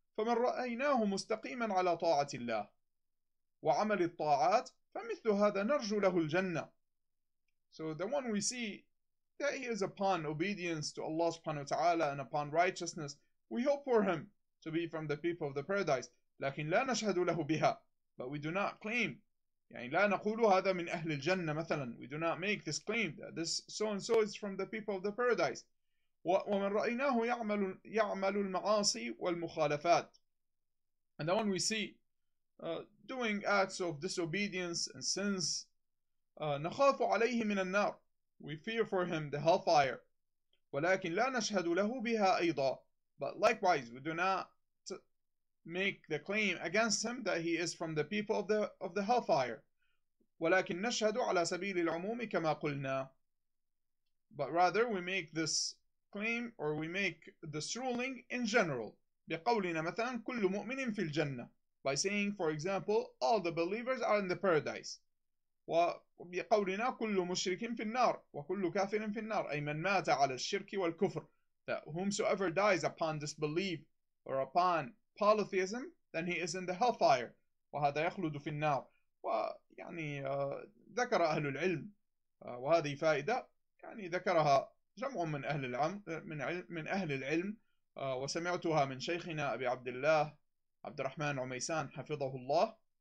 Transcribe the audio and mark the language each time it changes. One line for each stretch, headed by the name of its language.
Arabic: فَمَنْ رَأَيْنَاهُ مُسْتَقِيمًا عَلَى طَاعَةِ اللَّهِ وَعَمَلِ الطَّاعَاتِ فَمِثْلُ هَذَا نَرْجُو لَهُ الْجَنَّةِ.
English: So the one we see that he is upon obedience to Allah subhanahu wa ta'ala and upon righteousness, we hope for him to be from the people of the paradise.
Arabic: لكن لا نشهد له بها.
English: But we do not claim.
Arabic: يعني لا نقول هذا من أهل الجنة مثلا.
English: We do not make this claim that this so and so is from the people of the paradise.
Arabic: ومن رأيناه يعمل المعاصي والمخالفات.
English: And the one we see doing acts of disobedience and sins.
Arabic: نخاف عليه من النار.
English: We fear for him the hellfire.
Arabic: ولكن لا نشهد له بها أيضا.
English: But likewise, we do not make the claim against him that he is from the people of the hellfire.
Arabic: ولكن نشهد على سبيل العموم كما قلنا.
English: But rather, we make this claim or we make this ruling in general.
Arabic: بقولنا مثلا كل مؤمن في الجنة.
English: By saying, for example, all the believers are in the paradise.
Arabic: وبقولنا كل مشرك في النار وكل كافر في النار. أي من مات على الشرك والكفر.
English: That whomsoever dies upon disbelief or upon polytheism, then he is in the hellfire.
Arabic: وهذا يخلد في النار. ويعني ذكر أهل العلم وهذه فائدة يعني ذكرها جمع من أهل العلم من أهل العلم وسمعتها من شيخنا أبي عبد الله عبد الرحمن عميسان حفظه الله.